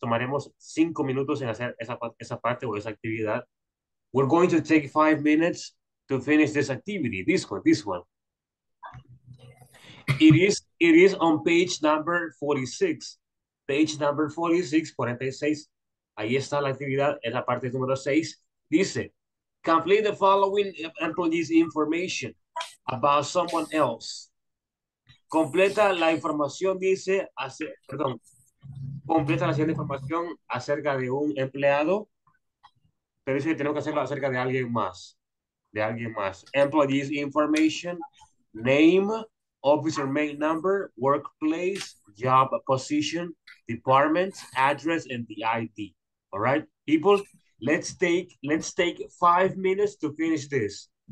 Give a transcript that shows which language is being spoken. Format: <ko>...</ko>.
<es>Tomaremos 5 minutos en hacer esa parte o esa actividad.</es> <en>We're going to take 5 minutes to finish this activity, this one. It is on page number 46. Page number 46.</en> <es>Ahí está la actividad, es la parte número 6. Dice,</es> <en>complete the following employee's information about someone else.</en> <es>Completa la información, dice, completa la siguiente información acerca de un empleado. Pero dice que tenemos que hacerlo acerca de alguien más.</es> <en>Employees information, name, officer main number, workplace, job position, department, address, and the ID. All right, people, let's take 5 minutes to finish this.</en>